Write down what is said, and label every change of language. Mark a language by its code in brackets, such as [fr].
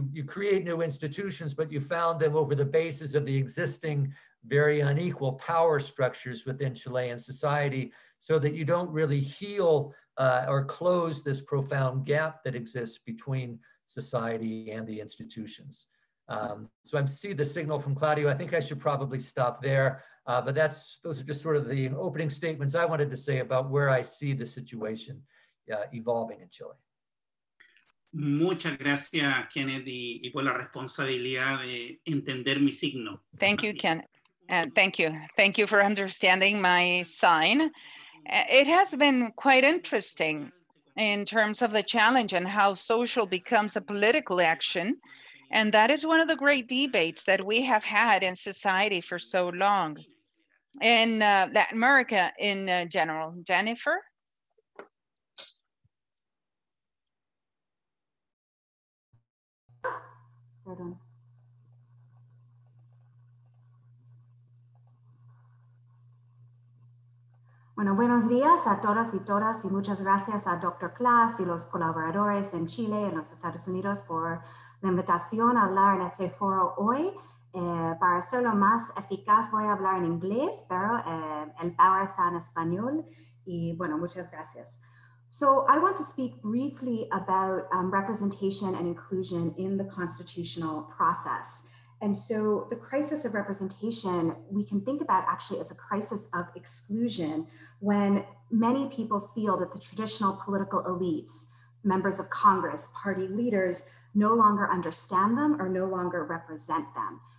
[en] You create new institutions, but you found them over the basis of the existing very unequal power structures within Chilean society, so that you don't really heal or close this profound gap that exists between society and the institutions. So I see the signal from Claudio. I think I should probably stop there, but those are just sort of the opening statements I wanted to say about where I see the situation evolving in Chile. [es] Muchas gracias, Kenneth, y por la responsabilidad de entender mi signo. [en] Thank you, Ken. And thank you. Thank you for understanding my sign. It has been quite interesting in terms of the challenge and how social becomes a political action. And that is one of the great debates that we have had in society for so long, in Latin America in general. Jennifer? [es] Bueno, buenos días a todas y todas y muchas gracias a Dr. Klass y los colaboradores en Chile y en los Estados Unidos por la invitación a hablar en este foro hoy Para hacerlo más eficaz, voy a hablar en inglés, pero el power está en español. Y bueno, muchas gracias. [en] So I want to speak briefly about representation and inclusion in the constitutional process. And so the crisis of representation, we can think about actually as a crisis of exclusion when many people feel that the traditional political elites, members of Congress, party leaders, no longer understand them or no longer represent them.